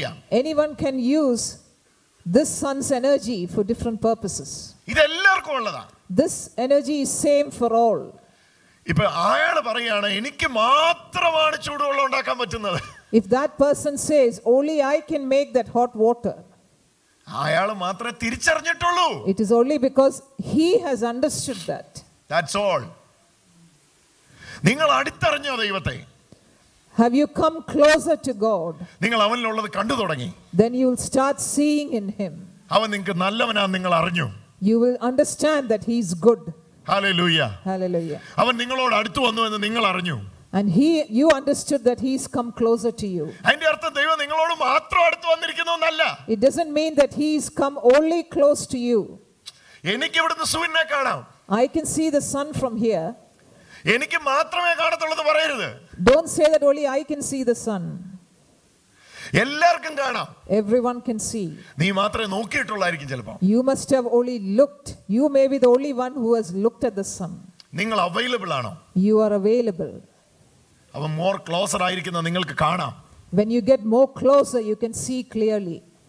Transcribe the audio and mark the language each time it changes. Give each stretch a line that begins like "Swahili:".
English: Anyone can use this sun's energy for different purposes.
Malayalam: ഇതെല്ലാവർക്കും ഉള്ളതാ.
English: This energy is same for all.
Malayalam: ഇപ്പ ആയാള് പറയാണ് എനിക്ക് മാത്രമാണ് ചൂടുവെള്ളം ഉണ്ടാക്കാൻ പറ്റുന്നത്.
English: If that person says only I can make that hot water,
Malayalam: ആയാള് മാത്രമേ തിരിച്ചറിഞ്ഞിട്ടുള്ളൂ.
English: It is only because he has understood that. That's all.
Malayalam: നിങ്ങൾ അടുത്തറിഞ്ഞോ ദൈവത്തെ?
English: Have you come closer to God?
Malayalam: നിങ്ങൾ അവനിൽ ഉള്ളത് കണ്ടു തുടങ്ങി.
English: Then you will start seeing in him.
Malayalam: അവൻ നിങ്ങൾക്ക് നല്ലവനാണെന്ന് നിങ്ങൾ അറിഞ്ഞു.
English: You will understand that he is good. Hallelujah. Hallelujah.
Malayalam: അവൻ നിങ്ങളോട് അടുത്തു വന്നു എന്ന് നിങ്ങൾ അറിഞ്ഞു.
English: And you understood that he's come closer to you.
Malayalam: അതിന്റെ അർത്ഥം ദൈവം നിങ്ങളോട് മാത്രം അടുത്തു വന്നിരിക്കുന്നു എന്നല്ല.
English: It doesn't mean that he's come only close to you.
Malayalam: എനിക്ക് ഇവിടുന്ന് സൂര്യനെ കാണാം.
English: I can see the sun from here.
Malayalam: എനിക്ക് മാത്രമേ കാണത്തുള്ളൂ എന്ന് പറയരുത്.
English: Don't say that only I can see the sun.
Malayalam: എല്ലാവർക്കും കാണാം.
English: Everyone can see.
Malayalam: നീ മാത്രമേ നോക്കിയിട്ടുള്ളായിരിക്കും ചിലപ്പോൾ.
English: You must have only looked. You may be the only one who has looked at the sun.
Malayalam: നിങ്ങൾ അവൈലബിൾ ആണോ?
English: You are available.
Malayalam: അവൻ
English: more closer
Malayalam: ആയിരിക്കുന്ന നിങ്ങൾക്ക് കാണാം.
English: When you get more closer you can see clearly.